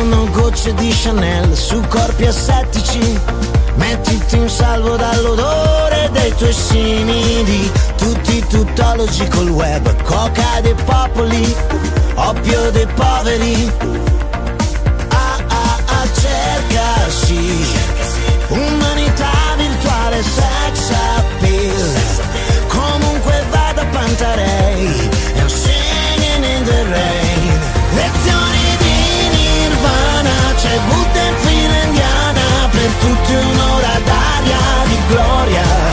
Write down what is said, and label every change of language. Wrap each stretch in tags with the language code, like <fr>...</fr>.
<it>borse di Chanel su corpi asettici. Mettiti in salvo dall'odore dei tuoi simili. Tutti tuttologi col web, coca dei popoli, oppio dei poveri. Ah ah ah, cercasi, umanità virtuale, sex appeal. Comunque vada</it> <en>Pantarei, I'm singing in the rain.</en> <it>Lezioni di Nirvana, c'è Buddha in fila indiana, per tutti un'ora d'aria di gloria.</it>